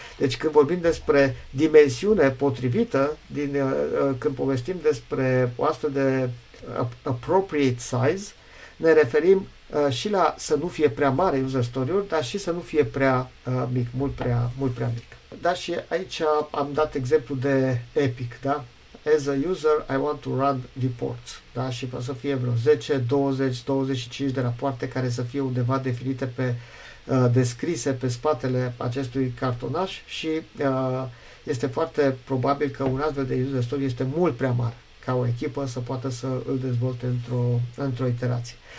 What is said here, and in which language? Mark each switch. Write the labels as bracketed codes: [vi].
[ro] Deci când vorbim despre dimensiune potrivită, când povestim despre o astfel de appropriate size, ne referim și la să nu fie prea mare user story-uri, dar și să nu fie prea mic, mult prea mic. Da, și aici am dat exemplu de Epic, da? [en] As a user, I want to run reports, da? [ro] Și poate să fie vreo 10, 20, 25 de rapoarte care să fie undeva definite pe descrise pe spatele acestui cartonaș și este foarte probabil că un astfel de user story este mult prea mare ca o echipă să poată să îl dezvolte într-o iterație.